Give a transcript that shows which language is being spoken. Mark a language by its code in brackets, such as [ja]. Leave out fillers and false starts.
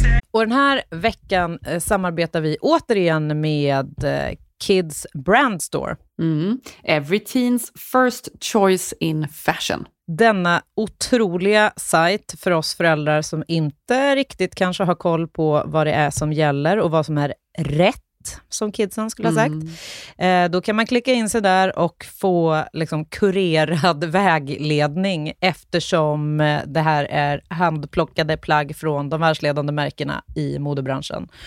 [sv] Och den här veckan samarbetar vi återigen med Kids Brand Store. Mm. [en] Every teen's first choice in fashion. [sv] Denna otroliga sajt för oss föräldrar som inte riktigt kanske har koll på vad det är som gäller och vad som är rätt, som kidsen skulle ha sagt. Då kan man klicka in sig där och få liksom kurerad vägledning, eftersom det här är handplockade plagg från de världsledande märkena i modebranschen.